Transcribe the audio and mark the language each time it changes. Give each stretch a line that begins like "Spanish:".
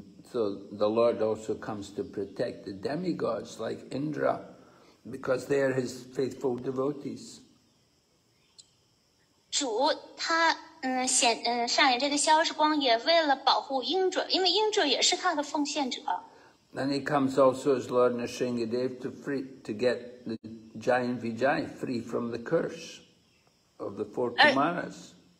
English: So the Lord also comes to protect the demigods like Indra, because they are his faithful devotees.
Chinese: 主他上演这个逍遥时光也为了保护英准，因为英准也是他的奉献者。Then
English: he comes also as Lord Narsingadev to get the giant Vijay free from the curse of the four Kumaras.